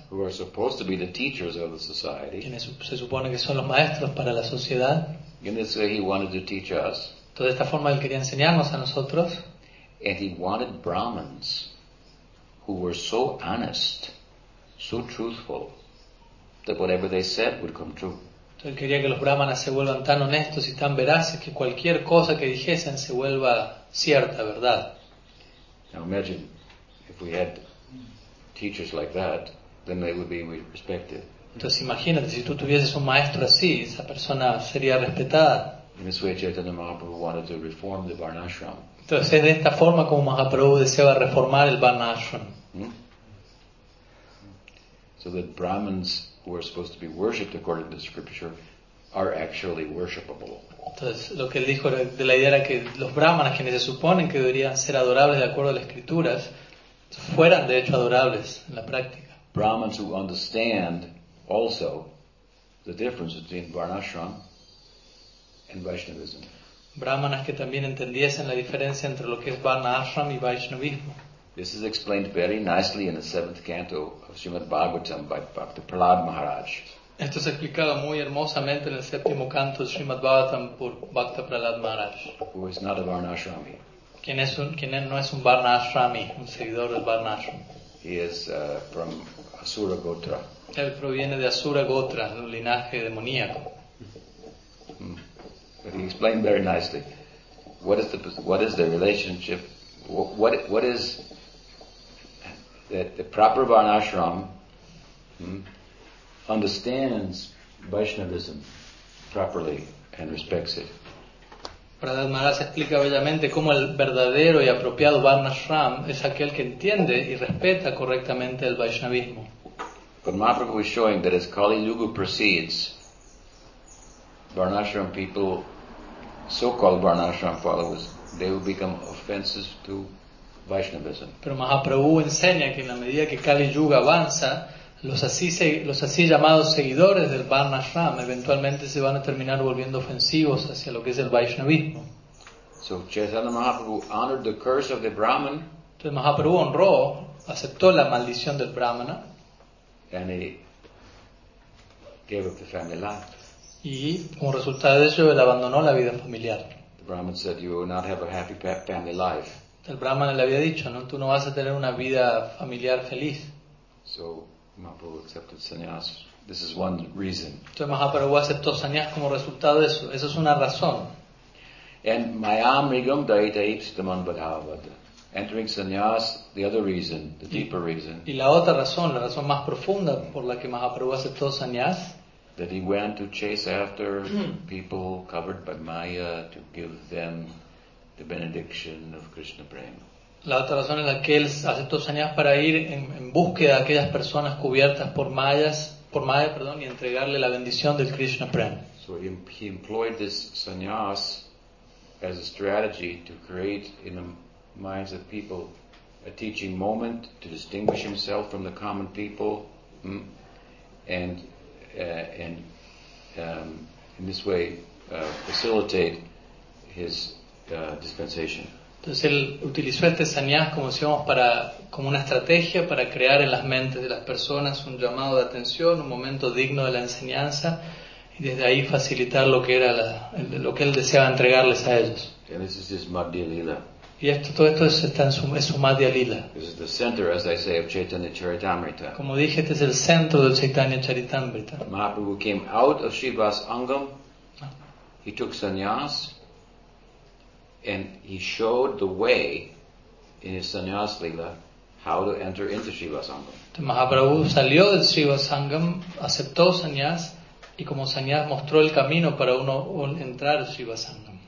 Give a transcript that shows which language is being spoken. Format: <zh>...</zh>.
<en>Who are supposed to be the teachers of the society.</en> <es>Quienes se supone que son los maestros para la sociedad.</es> <en>In this way he wanted to teach us.</en> <es>De esta forma él quería enseñarnos a nosotros.</es> <en>And he wanted Brahmins who were so honest, so truthful, that whatever they said would come true.</en> <es>Entonces, él quería que los Brahmanas se vuelvan tan honestos y tan veraces que cualquier cosa que dijesen se vuelva cierta, ¿verdad?</es> <en>Now imagine if we had teachers like that, then they would be respected.</en> <es>Entonces imagínate, si tú tuvieses un maestro así, esa persona sería respetada.</es> <en>In this way, Caitanya Mahaprabhu wanted to reform the Varnashram.</en> <es>Entonces es de esta forma como Mahaprabhu deseaba reformar el Varnashram.</es> <en>So that Brahmins who are supposed to be worshipped according to the scripture are actually worshipable.</en> <es>Entonces lo que él dijo era de la idea era que los brahmanas, quienes se suponen que deberían ser adorables de acuerdo a las escrituras, fueran de hecho adorables en la práctica.</es> <en>Brahmins who understand also the difference between Varnashram and Vaishnavism.</en> <es>Brahmanas que también entendiesen la diferencia entre lo que es Varnashram y Vaishnavismo.</es> <en>This is explained very nicely in the 7th canto of Srimad Bhagavatam by Bhakti Prahlad Maharaj.</en> <es>Esto es explicado muy hermosamente en el 7th canto de Srimad Bhagavatam por Bhakti Prahlad Maharaj.</es> <en>Who is not a Varnashrami.</en> <es>Quien no es un Varnashrami, un seguidor del Varnashram.</es> <en>He is from Asura Gotra.</en> <es>Él proviene de Asura Gotra, un linaje demoníaco.</es> <en>But he explained very nicely. What is the relationship? What is that the proper Varnashram understands Vaishnavism properly and respects it.</en> <es>Prahlad Maharaj explica bellamente cómo el verdadero y apropiado Varnashram es aquel que entiende y respeta correctamente el Vaishnavismo.</es> <en>But Mahaprabhu is showing that as Kali Yuga proceeds, Varnashram people, so-called Varnashram followers, they will become offensive to Vaishnavism.</en> <es>Pero Mahaprabhu enseña que en la medida que Kali Yuga avanza, los así llamados seguidores del Varnashram eventualmente se van a terminar volviendo ofensivos hacia lo que es el Vaishnavismo.</es> <en>So Caitanya Mahaprabhu honored the curse of the Brahman.</en> <es>Entonces Mahaprabhu honró, aceptó la maldición del Brahmana.</es> <en>And he gave up the family life.</en> <es>Y como resultado de eso, él abandonó la vida familiar.</es> <en>The Brahman said, "You will not have a happy family life."</en> <es>El Brahman le había dicho, ¿no? Tú no vas a tener una vida familiar feliz.</es> <en>So Mahaprabhu accepted sannyas. This is one reason.</en> <es>Entonces Mahaprabhu aceptó sannyas como resultado de eso. Eso es una razón.</es> <en>And mayam rigam daita ipsitaman badhavada. Entering sannyas, the other reason, the deeper reason.</en> <es>Y la otra razón, la razón más profunda por la que Mahaprabhu aceptó sannyas.</es> <en>That he went to chase after people covered by maya to give them the benediction of Krishna Prema.</en> <es>La otra razón es la que él aceptó sannyas para ir en búsqueda de aquellas personas cubiertas por maya, y entregarle la bendición del Krishna Prema.</es> <en>So he employed this sannyas as a strategy to create in the minds of people a teaching moment to distinguish himself from the common people, and in this way facilitate his dispensation.</en> <es>Entonces él utilizó este sannyas como decíamos como una estrategia para crear en las mentes de las personas un llamado de atención, un momento digno de la enseñanza, y desde ahí facilitar lo que él deseaba entregarles a ellos.</es> <en>And this is his Madhya Lila.</en> <es>Y esto, todo esto está en su Madhya Lila.</es> <en>This is the center, as I say, of Chaitanya Charitamrita.</en> <es>Como dije, este es el centro del Chaitanya Charitamrita.</es> <en>Mahaprabhu came out of Shiva's Angam. He took sannyas. And he showed the way in his sannyas lila how to enter into Shiva's Angam.</en> <es>Mahaprabhu salió del Shiva's Angam, aceptó sannyas, y como sannyas mostró el camino para uno entrar al Shiva's Angam.</es>